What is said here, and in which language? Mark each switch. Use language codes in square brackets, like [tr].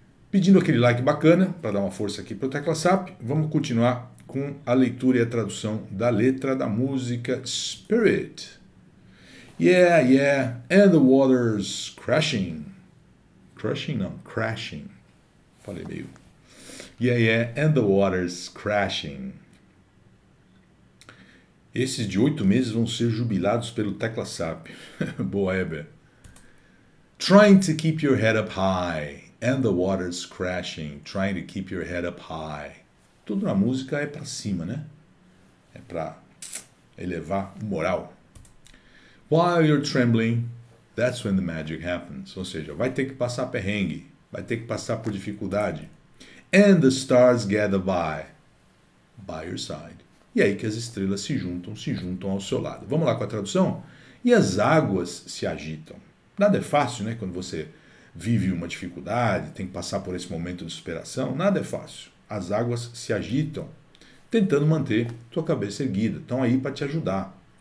[pt] Pedindo aquele like bacana para dar uma força aqui para o TeclaSap, vamos continuar com a leitura e a tradução da letra da música Spirit. [en] Yeah, yeah, and the water's crashing. Crushing, [pt] não, [en] crashing. [pt] Falei meio. [en] Yeah, yeah, and the water's crashing. [pt] Esses de 8 meses vão ser jubilados pelo Tecla SAP. Boa, Heber. [en] Trying to keep your head up high, and the water's crashing. Trying to keep your head up high. [pt] Tudo na música é pra cima, né? É pra elevar o moral. [en] While you're trembling, that's when the magic happens. [pt] Ou seja, vai ter que passar perrengue, vai ter que passar por dificuldade. [en] And the stars gather by your side. [pt] E aí que as estrelas se juntam ao seu lado. Vamos lá com a tradução? E as águas se agitam. Nada é fácil, né? Quando você vive uma dificuldade, tem que passar por esse momento de superação, nada é fácil. As águas se agitam, tentando manter tua cabeça erguida. Estão aí para te ajudar.